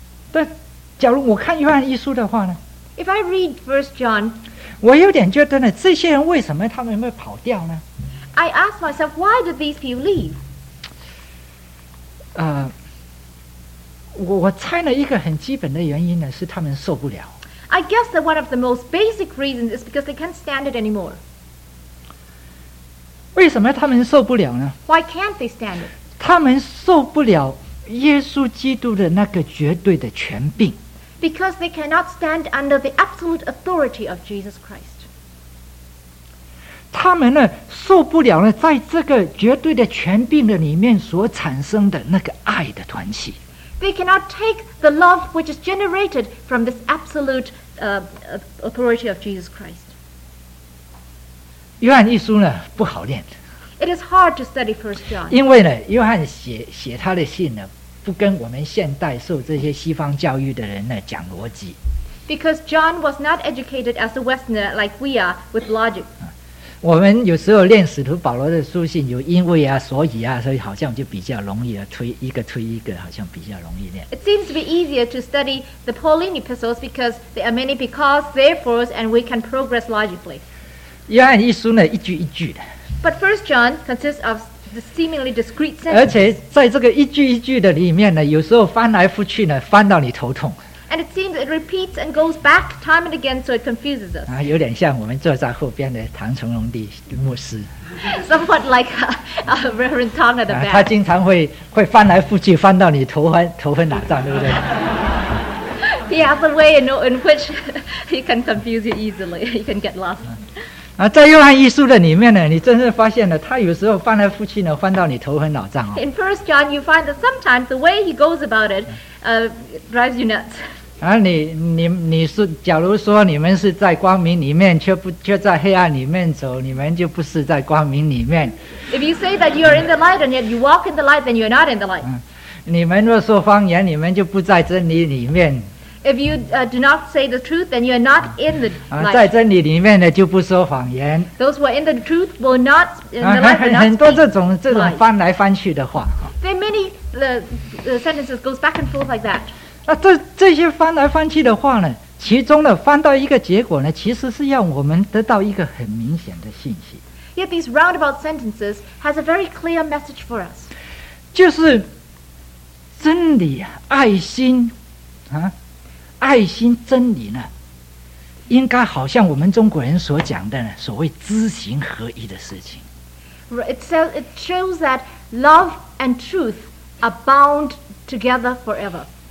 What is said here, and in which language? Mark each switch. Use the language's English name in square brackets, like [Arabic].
[Chinese] 但假如我看约翰一书的话呢？ [English] If I read 1 John, [Chinese] 我有点觉得呢，这些人为什么他们会跑掉呢？ [English] I ask myself, why did these people leave? [Chinese] 我猜呢，一个很基本的原因呢，是他们受不了。 [English] I guess that one of the most basic reasons is because they can't stand it anymore. [Chinese] 为什么他们受不了呢？ [English] Why can't they stand it? [Chinese] 他们受不了耶稣基督的那个绝对的权柄。 [English] Because they cannot stand under the absolute authority of Jesus Christ. [Chinese] 他们呢受不了呢，在这个绝对的权柄的里面所产生的那个爱的团契。 [English] They cannot take the love which is generated from this absolute authority of Jesus Christ. [Chinese] 约翰一书呢不好念。 [English] It is hard to study 1 John. [Chinese] 因为呢，约翰写他的信呢，不跟我们现代受这些西方教育的人呢讲逻辑。 [English] Because John was not educated as a Westerner like we are with logic. [Chinese] 我们有时候念使徒保罗的书信，有因为啊，所以啊，所以好像就比较容易了，推一个推一个，好像比较容易念。 [English] It seems to be easier to study the Pauline epistles because there are many because, therefore, and we can progress logically. [Chinese] 约翰一书呢，一句一句的。 [English] But 1 John consists of the seemingly discrete sentences. [Chinese] 而且在这个一句一句的里面呢，有时候翻来覆去呢，翻到你头痛。 [English] And it seems it repeats and goes back time and again, so it confuses us. [Chinese] 有点像我们坐在后边的唐崇荣的牧师。 [English] Somewhat like Reverend Tong at the back. [Chinese] 他经常会翻来覆去，翻到你头昏脑胀，对不对？ [English] He has a way in which he can confuse you easily. He can get lost. [Chinese] 在约翰一书的里面呢，你真是发现了，他有时候翻来覆去呢，翻到你头昏脑胀 [English] 哦。In 1 John, you find that sometimes the way he goes about it, drives you nuts. [Chinese] 你是假如说你们是在光明里面，却在黑暗里面走，你们就不是在光明里面。 [English] If you say that you are in the light and yet you walk in the light, then you are not in the light. [Chinese] 你们若说方言，你们就不在真理里面。 [English] If you do not say the truth, then you are not in the light. [Chinese] 在真理里面呢，就不说谎言。 [English] Those who are in the truth will not in the light. [Chinese] 很多这种翻来翻去的话。 [English] There are many the sentences goes back and forth like that. [Chinese] 这些翻来翻去的话呢，其中呢翻到一个结果呢，其实是要我们得到一个很明显的信息。 [English] Yet these roundabout sentences has a very clear message for us. [Chinese] 就是真理、爱心，爱心真理呢，应该好像我们中国人所讲的呢，所谓知行合一的事情。 [English] it shows that love and truth are bound together forever.